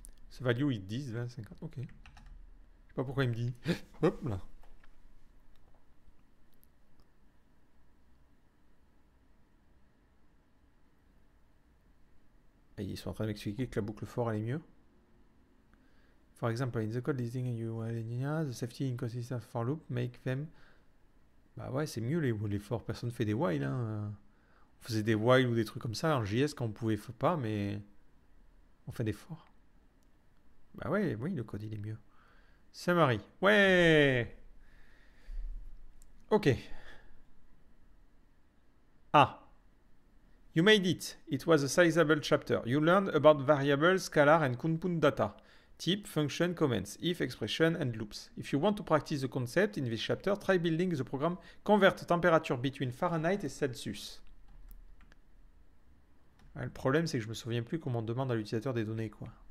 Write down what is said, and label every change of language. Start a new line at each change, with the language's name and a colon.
French: Ce value est 10, 20, 50. Ok. Je sais pas pourquoi il me dit. Hop là. Ils sont en train d'expliquer que la boucle for allait mieux.
English: For example, in the code listing you, the safety inconsistent for loop make them.
French: Bah ouais, c'est mieux les for. Personne fait des while. Hein. On faisait des while ou des trucs comme ça en JS quand on pouvait pas, mais on fait des for. Bah ouais, oui, le code il est mieux.
English: Summary. Ouais. Ok. Ah. You made it. It was a sizable chapter. You learned about variables, scalar and compound data. Type, function, comments, if, expression, and loops. If you want to practice the concept in this chapter, try building the program convert temperature between Fahrenheit et Celsius.
French: Ah, le problème, c'est que je me souviens plus comment on demande à l'utilisateur des données, quoi.